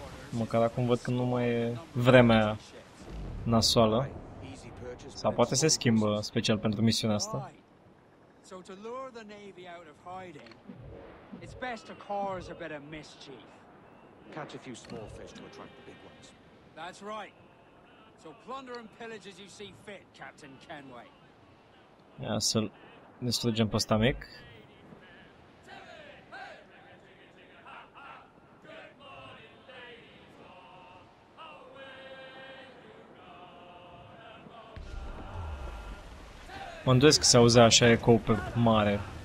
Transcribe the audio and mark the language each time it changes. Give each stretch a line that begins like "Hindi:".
Romanian: Măcar acum văd că nu mai e vremea nasoală. Sau poate se schimbă special pentru misiunea asta.
English: So to lure the navy out of hiding, it's best to cause a bit of mischief. Catch a few small fish to attract the big ones. That's right. So plunder and pillage as you see fit, Captain Kenway.
Romanian: Ia să-l distrugem pe ăsta mic. Mă îndoiesc că se auzea așa ecou pe mare.